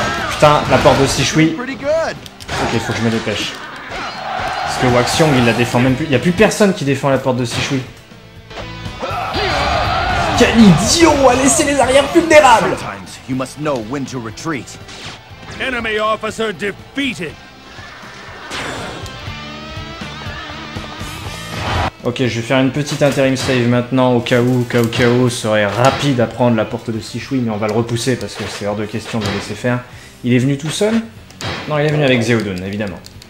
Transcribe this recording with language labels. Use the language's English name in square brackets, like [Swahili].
[French] Putain, la porte de Sichui. Ok, faut que je me dépêche. Parce que Waxiong, il la défend même plus. Il n'y a plus personne qui défend la porte de Sichui. Quel idiot a laissé les arrières vulnérables! [English] You must know when to retreat. Enemy officer defeated. [French] Ok, je vais faire une petite interim save maintenant au cas où Kao Kao serait rapide à prendre la porte de Sichui, mais on va le repousser parce que c'est hors de question de le laisser faire. Il est venu tout seul? Non, il est venu avec Zeodun, évidemment.